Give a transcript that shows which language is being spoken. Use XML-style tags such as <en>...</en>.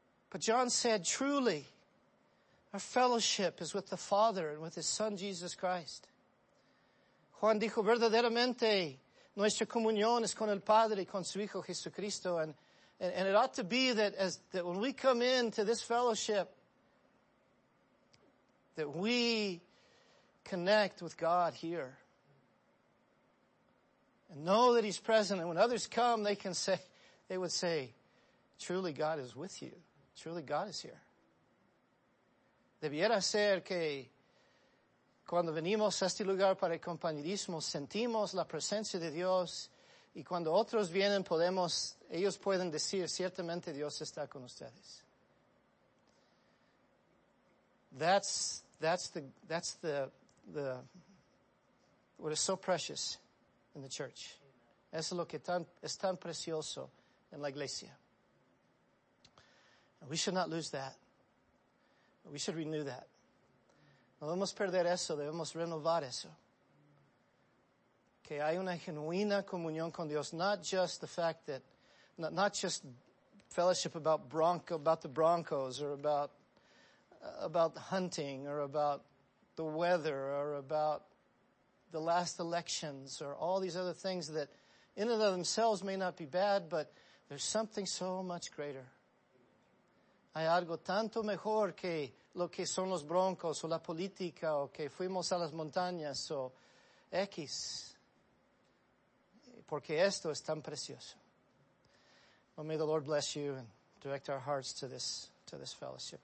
<en>But John said, truly, our fellowship is with the Father and with His Son, Jesus Christ.</en> <es>Juan dijo, verdaderamente, nuestra comunión es con el Padre y con su Hijo Jesucristo.</es> <en>And it ought to be that when we come into this fellowship, that we connect with God here. And know that He's present. And when others come, they would say, truly God is with you. Truly God is here.</en> <es>Debiera ser que cuando venimos a este lugar para el compañerismo, sentimos la presencia de Dios. Y cuando otros vienen, ellos pueden decir, ciertamente Dios está con ustedes.</es> <en>That's the what is so precious in the church.</en> <es>Eso es lo que es tan precioso en la iglesia.</es> <en>And we should not lose that. We should renew that.</en> <es>No debemos perder eso, debemos renovar eso. Que hay una genuina comunión con Dios,</es> <en>not just the fact that, not just fellowship about the Broncos, or about hunting, or about the weather, or about the last elections, or all these other things that in and of themselves may not be bad, but there's something so much greater.</en> <es>Hay algo tanto mejor que lo que son los Broncos o la política o que fuimos a las montañas o X. Porque esto es tan precioso.</es> <en>Well, may the Lord bless you and direct our hearts to this fellowship.</en>